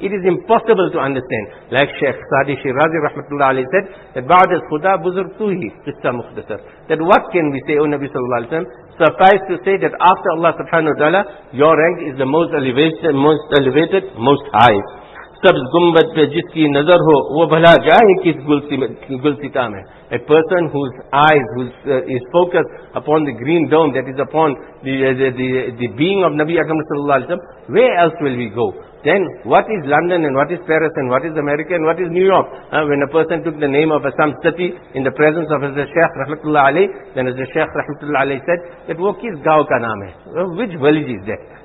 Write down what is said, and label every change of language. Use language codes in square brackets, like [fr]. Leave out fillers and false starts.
[en] It is impossible to understand. Like Shaykh Sadi Shirazi rahmatullahi alayhi said, that [fa] ba'd al-khuda buzurg tuhi qissa mukhtasar. [en] That what can we say, O Nabi sallallahu alayhi wa sallam? Suffice to say that after Allah subhanahu wa ta'ala, your rank is the most elevated, most high. [ur] سبز گنبد پہ جس کی نظر ہو وہ بھلا جائے کس گلستا میں. [en] A person whose eyes is focused upon the green dome, that is upon the being of Nabi Akram sallallahu alaihi wasallam, where else will we go? Then what is London and what is Paris and what is America and what is New York? When a person took the name of some city in the presence of Hazrat Shaykh rahmatullah alayhi, then Hazrat Shaykh rahmatullah alayhi said that [ur] wo kis gaon ka naam hai, [en] which village is that?